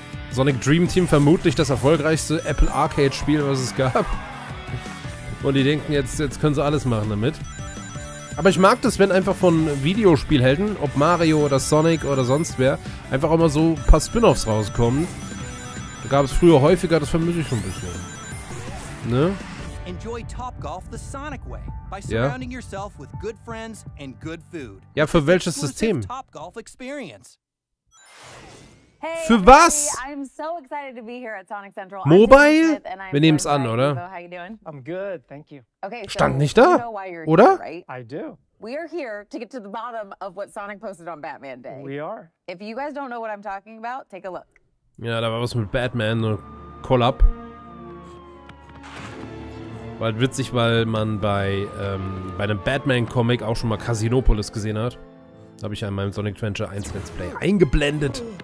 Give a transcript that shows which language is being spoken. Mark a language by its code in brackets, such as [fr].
[de] Sonic Dream Team vermutlich das erfolgreichste Apple Arcade-Spiel, was es gab. Und die denken, jetzt können sie alles machen damit. Aber ich mag das, wenn einfach von Videospielhelden, ob Mario oder Sonic oder sonst wer, einfach auch mal so ein paar Spin-Offs rauskommen. Da gab es früher häufiger, das vermisse ich schon ein bisschen. Ne? [en] Enjoy Topgolf the Sonic way by surrounding yourself with good friends and good food. [de] Ja, für welches System? [en] Topgolf experience. Hey, [de] für was? [en] I'm so excited to be here at Sonic Central. [de] Mobile? Wir nehmen es an, oder? [en] How you doing? I'm good, thank you. Okay, so [de] stand nicht da? [en] You know why you're [de] oder? [en] Here, right? I do. We are here to get to the bottom of what Sonic posted on Batman Day. We are. If you guys don't know what I'm talking about, take a look. [de] Ja, da war was mit Batman, ne? Call up. Weil witzig, weil man bei einem Batman-Comic auch schon mal Casinopolis gesehen hat. Da habe ich ja in meinem Sonic Adventure 1 Let's Play eingeblendet.